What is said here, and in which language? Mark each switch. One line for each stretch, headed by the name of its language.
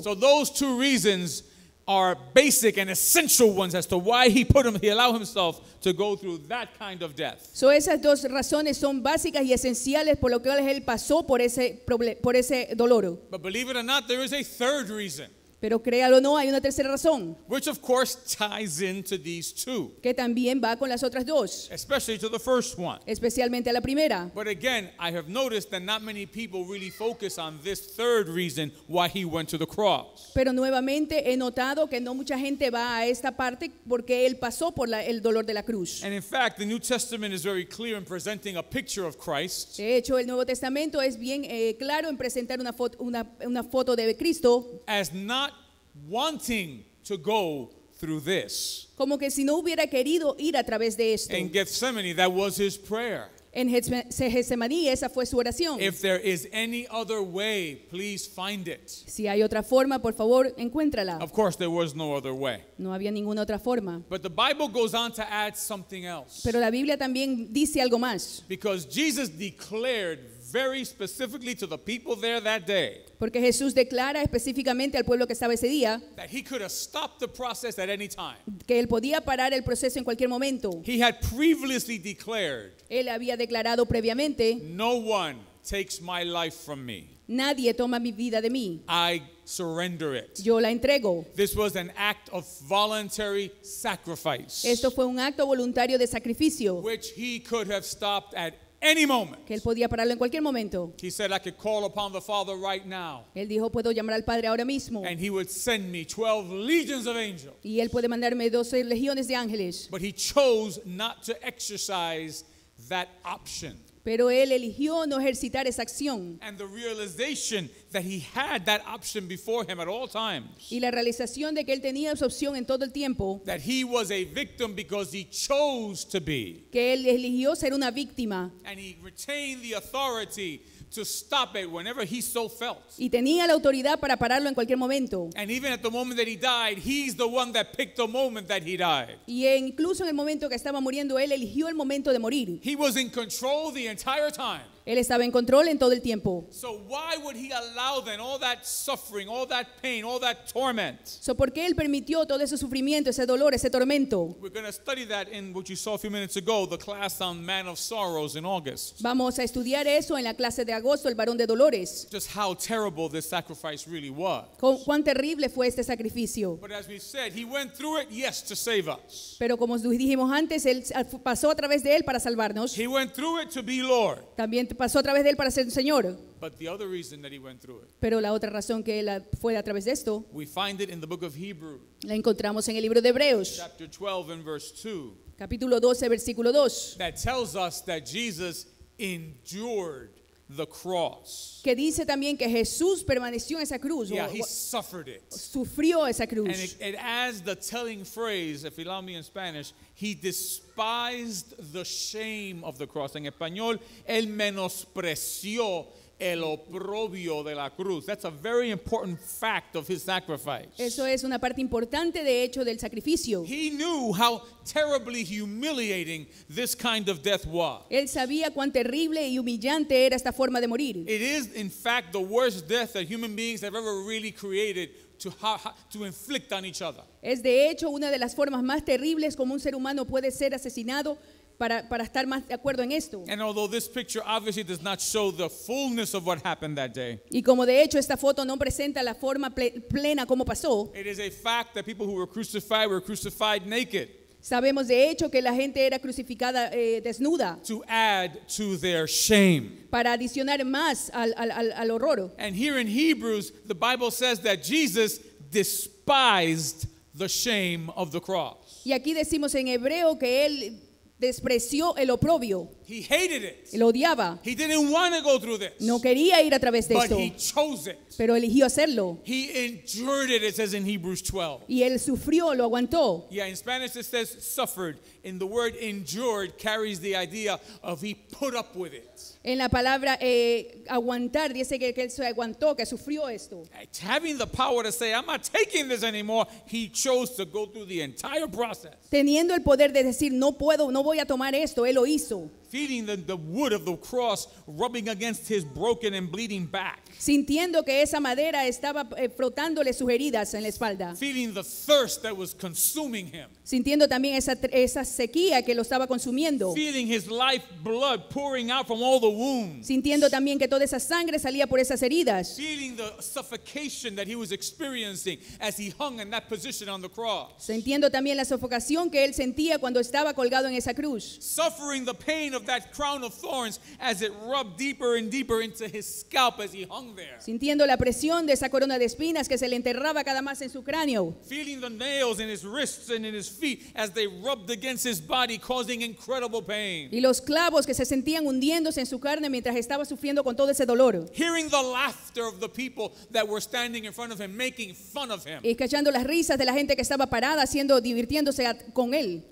English: So those two reasons are basic and essential ones as to why he allowed himself to go through that kind of death. So
Spanish: esas dos razones son básicas y esenciales por lo que él pasó por ese dolor.
English: But believe it or not, there is a third reason.
Spanish: Pero créalo o no, hay una tercera razón.
English: Which of course ties into these two.
Spanish: Que también va con las otras dos.
English: Especially to the first one.
Spanish: Especialmente a la primera.
English: But again, I have noticed that not many people really focus on this third reason why he went to the cross.
Spanish: Pero nuevamente he notado que no mucha gente va a esta parte porque él pasó por el dolor de la cruz.
English: And in fact, the New Testament is very clear in presenting a picture of Christ.
Spanish: De hecho, el Nuevo Testamento es bien claro en presentar una foto de Cristo.
English: As not wanting to go through this.
Spanish: Como que si no hubiera querido ir a través de esto.
English: In Gethsemane, that was his prayer.
Spanish: En Getsemaní, esa fue su oración.
English: If there is any other way, please find it.
Spanish: Si hay otra forma, por favor, encuéntrala.
English: Of course, there was no other way.
Spanish: No había ninguna otra forma.
English: But the Bible goes on to add something else.
Spanish: Pero la Biblia también dice algo más.
English: Because Jesus declared very specifically to the people there that day.
Spanish: Porque Jesús declara específicamente al pueblo que estaba ese día
English: that he could have stopped the process at any time.
Spanish: Que él podía parar el proceso en cualquier momento.
English: He had previously declared.
Spanish: Él había declarado previamente.
English: No one takes my life from me.
Spanish: Nadie toma mi vida de mí.
English: I surrender it.
Spanish: Yo la entrego.
English: This was an act of voluntary sacrifice.
Spanish: Esto fue un acto voluntario de sacrificio.
English: Which he could have stopped at any moment.
Spanish: Que él podía pararlo en cualquier momento.
English: He said, I could call upon the Father right now.
Spanish: Él dijo, puedo llamar al Padre ahora mismo.
English: And he would send me 12 legions of angels.
Spanish: Y él puede mandarme 12 legiones de ángeles.
English: But he chose not to exercise that option.
Spanish: Pero él eligió no ejercitar esa acción.
English: And the realization that he had that option before him at all times.
Spanish: Y la realización de que él tenía esa opción en todo el tiempo.
English: That he was a victim because he chose to be.
Spanish: Que él eligió ser una víctima.
English: And he retained the authority to stop it whenever he so felt.
Spanish: Y tenía la autoridad para pararlo en cualquier momento.
English: And even at the moment that he died, he's the one that picked the moment that he died.
Spanish: Y incluso en el momento que estaba muriendo, él eligió el momento de morir.
English: He was in control the entire time.
Spanish: Él estaba en control en todo el tiempo.
English: So why would he allow then all that suffering, all that pain, all that torment? So
Spanish: ¿por qué él permitió todo ese sufrimiento, ese dolor, ese tormento?
English: We're going to study that in what you saw a few minutes ago, the class on Man of Sorrows in August.
Spanish: Vamos a estudiar eso en la clase de agosto, el varón de dolores.
English: Just how terrible this sacrifice really was.
Spanish: Cuán terrible fue este sacrificio.
English: But as we said, he went through it, yes, to save us.
Spanish: Pero como dijimos antes, él pasó a través de él para salvarnos.
English: He went through it to be Lord.
Spanish: También pasó a través de él para ser el Señor.
English: But the other reason that he went through it.
Spanish: Pero la otra razón que él fue a través de esto.
English: We find it in the book of Hebrews.
Spanish: La encontramos en el libro de Hebreos.
English: Chapter 12 and verse 2.
Spanish: Capítulo 12, versículo 2.
English: That tells us that Jesus endured the cross.
Spanish: Que dice también que Jesús permaneció en esa cruz.
English: Yeah, he suffered it.
Spanish: Sufrió esa cruz.
English: And it adds the telling phrase, if you allow me in Spanish, he despised the shame of the cross.
Spanish: En español, él menospreció el oprobio de la cruz.
English: That's a very important fact of his sacrifice.
Spanish: Eso es una parte importante, de hecho, del sacrificio.
English: He knew how terribly humiliating this kind of death was.
Spanish: Él sabía cuán terrible y humillante era esta forma de morir.
English: It is, in fact, the worst death that human beings have ever really created to inflict on each other.
Spanish: Es, de hecho, una de las formas más terribles como un ser humano puede ser asesinado. Para estar más de acuerdo en esto.
English: And although this picture obviously does not show the fullness of what happened that day.
Spanish: Y como de hecho esta foto no presenta la forma plena como pasó.
English: It is a fact that people who were crucified naked.
Spanish: Sabemos de hecho que la gente era crucificada desnuda.
English: To add to their shame.
Spanish: Para adicionar más al horror.
English: And here in Hebrews, the Bible says that Jesus despised the shame of the cross.
Spanish: Y aquí decimos en hebreo que él despreció el oprobio.
English: He hated it.
Spanish: Lo odiaba.
English: He didn't want to go through this.
Spanish: No quería ir a través de
English: but
Spanish: esto.
English: But he chose it.
Spanish: Pero eligió hacerlo.
English: He endured it, it says in Hebrews 12.
Spanish: Y él sufrió, lo aguantó.
English: Yeah, in Spanish it says suffered. And the word endured carries the idea of he put up with it.
Spanish: En la palabra aguantar, dice que él se aguantó, que sufrió esto.
English: Having the power to say, I'm not taking this anymore, he chose to go through the entire process.
Spanish: Teniendo el poder de decir, no puedo, no voy a tomar esto, él lo hizo.
English: Feeling the wood of the cross rubbing against his broken and bleeding back.
Spanish: Sintiendo que esa madera estaba frotándole sus heridas en la espalda.
English: Feeling the thirst that was consuming him.
Spanish: Sintiendo también esa sequía que lo estaba consumiendo.
English: Feeling his life blood pouring out from all the wounds.
Spanish: Sintiendo también que toda esa sangre salía por esas heridas.
English: Feeling the suffocation that he was experiencing as he hung in that position on the cross.
Spanish: Sintiendo también la sofocación que él sentía cuando estaba colgado en esa cruz.
English: Suffering the pain of that crown of thorns as it rubbed deeper and deeper into his scalp as he hung there.
Spanish: Sintiendo la presión de esa corona de espinas que se le enterraba cada más en su cráneo.
English: Feeling the nails in his wrists and in his feet as they rubbed against his body, causing incredible pain.
Spanish: Y los clavos que se sentían hundiéndose en su carne mientras estaba sufriendo con todo ese dolor.
English: Hearing the laughter of the people that were standing in front of him, making fun of him.
Spanish: Y escuchando las risas de la gente que estaba parada haciendo divirtiéndose con él.